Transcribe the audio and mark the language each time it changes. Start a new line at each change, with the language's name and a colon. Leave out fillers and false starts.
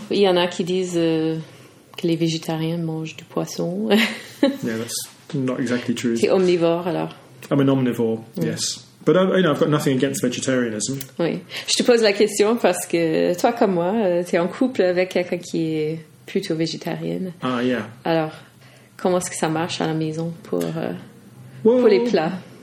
French: Il y en a qui disent que les végétariens mangent du poisson.
English: Yeah, that's not exactly true.
French: C'est omnivore, alors.
English: I'm an omnivore, yes. But, you know, I've got nothing against vegetarianism. Oui.
French: Je te pose la question parce que toi comme moi, t'es en couple avec quelqu'un qui est plutôt végétarienne.
English: Ah, yeah.
French: Alors, comment est-ce que ça marche à la maison pour les plats?